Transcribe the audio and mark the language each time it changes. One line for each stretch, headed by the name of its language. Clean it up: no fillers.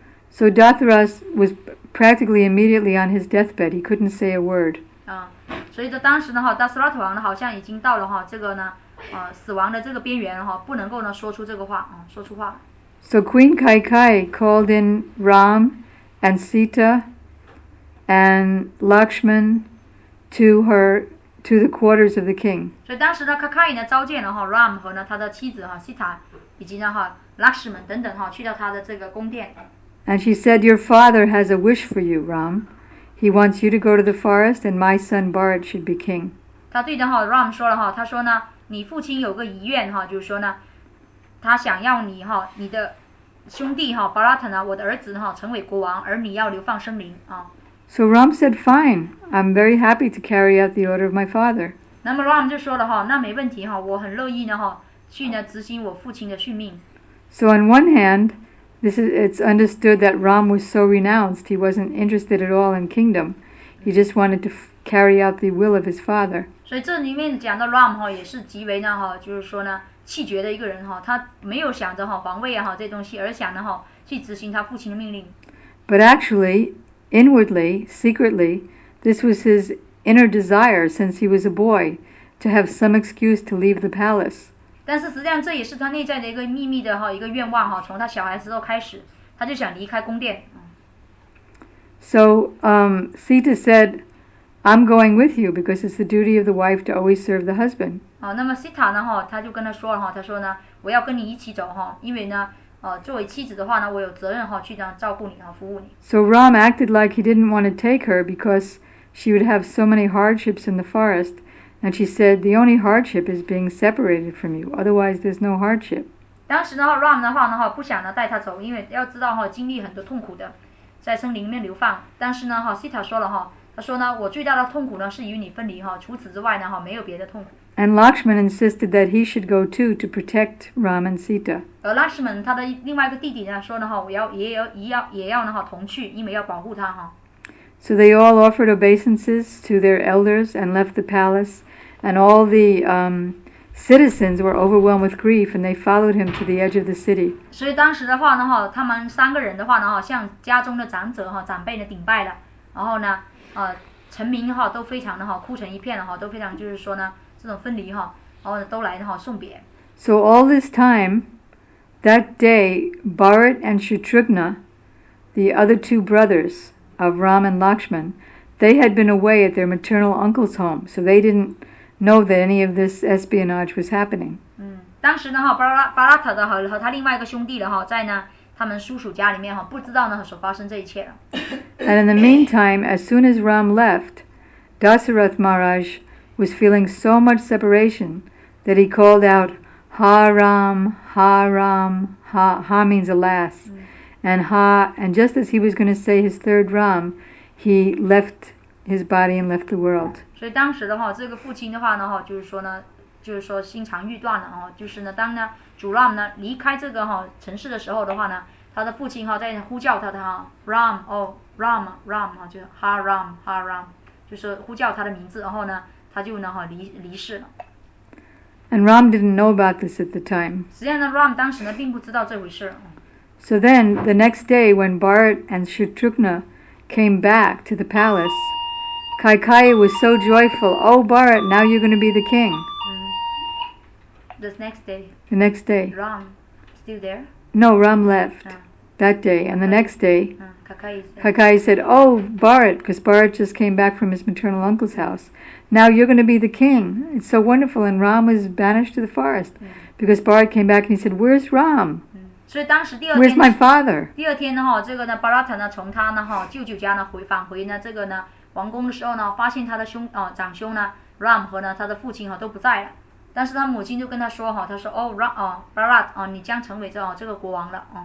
English: So Dasarath was practically immediately on his deathbed. He couldn't say a word.
Chinese: 所以在当时呢哈 ，Dasarath 王呢好像已经到了哈这个呢死亡的这个边缘哈，不能够呢说出这个话说出话。
English: So Queen Kai Kai called in Ram and Sita and Lakshman to her, to the quarters of the king.
Chinese: 所以当时呢，卡卡伊呢召见了哈 Ram 和呢他的妻子哈 Sita 以及呢哈 Lakshman 等等哈，去到他的这个宫殿。
English: And she said, "Your father has a wish for you, Ram. He wants you to go to the forest, and my son Bharat should be king."
Chinese: 他对的哈 Ram 说了哈，他说呢，你父亲有个遗愿哈，就是说呢，他想要你哈，你的兄弟哈 Bharat 呢，我的儿子哈，成为国王，而你要流放生灵啊。
English: So Ram said, "Fine. I'm very happy to carry out the order of my father."
Chinese: 那么 Ram 就说了哈，那没问题哈，我很乐意呢哈，去呢执行我父亲的训命。
English: So on one hand. It's understood that Ram was so renounced, he wasn't interested at all in kingdom. He just wanted to carry out the will of his father.
Chinese: 所以这里面讲到 Ram 也是极为呢就是说呢气绝的一个人，他没有想着皇位这东西，而想着去执行他父亲的命令。
English: But actually, inwardly, secretly, this was his inner desire since he was a boy, to have some excuse to leave the palace.
Chinese: 但是实际上这也是他内在的一个秘密的一个愿望，从他小孩时候开始他就想离开宫殿。
English: So, Sita said, "I'm going with you because it's the duty of the wife to always serve the husband."
Chinese: 那么 Sita 呢他就跟他说了，他说呢我要跟你一起走，因为呢作为妻子的话呢我有责任去这样照顾你服务你。
English: So Ram acted like he didn't want to take her because she would have so many hardships in the forest. And she said, "The only hardship is being separated from you. Otherwise, there's no hardship."
Chinese: 当时呢 ，Ram 的话呢，不想呢带他走，因为要知道哈，经历很多痛苦的，在森林里面流放。但是呢，Sita 说了哈，他说呢，我最大的痛苦呢是与你分离哈，除此之外呢，没有别的痛苦。
English: And Lakshman insisted that he should go too to protect Ram and Sita.
Chinese: 而 Lakshman 他的另外一个弟弟呢说呢哈，我要也要呢同去，因为要保护他哈。
English: So they all offered obeisances to their elders and left the palace, and all the citizens were overwhelmed with grief, and they followed him to the edge of the city.
Chinese: 所以当时的话呢，他们三个人的话呢，向家中的长者长辈呢顶拜了，然后呢，臣民都非常的哭成一片都非常就是说呢，这种分离然后都来送别。
English: So all this time, that day, Bharat and Shatrughna, the other two brothers. Of Ram and Lakshman, they had been away at their maternal uncle's home, so they didn't know that any of this espionage was happening.
Chinese: 当时呢哈，巴拉塔的和他另外一个兄弟的哈，在呢他们叔叔家里面哈，不知道呢所发生这一切了。
English: And in the meantime, as soon as Ram left, Dasarath Maharaj was feeling so much separation that he called out, "Ha Ram, Ha Ram, Ha means alas." And just as he was going to say his third Ram, he left his body and left the world.
Chinese: 所以当时的话，这个父亲的话呢，就是说心肠欲断了哦，就是呢，当呢主 Ram 呢离开这个城市的时候的话呢，他的父亲在呼叫他的Ram, oh Ram, Ram 就是哈 Ram, 哈 Ram, 就是呼叫他的名字，然后呢，他就呢离世了。
English: And Ram didn't know about this at the time.
Chinese: 实际上呢 ，Ram 当时呢并不知道这回事。
English: So then, the next day, when Bharat and Shatrughna came back to the palace, Kaikeyi was so joyful. Oh, Bharat, now you're going to be the king. The next day. Ram, still there? No, Ram left that day. And the next day, Kaikeyi said, "Oh, Bharat," because Bharat just came back from his maternal uncle's house. Now you're going to be the king. It's so wonderful. And Ram was banished to the forest because Bharat came back and he said, "Where's Ram?"
Chinese: 所以当时第二天
English: Where's my father?
Chinese: 第二天呢这个呢 Bharat 呢从他呢舅舅家呢返回呢这个呢王宫的时候呢发现他的兄长兄呢 Ram 和呢他的父亲都不在了，但是他母亲就跟他说他说Bharat 你将成为这个国王了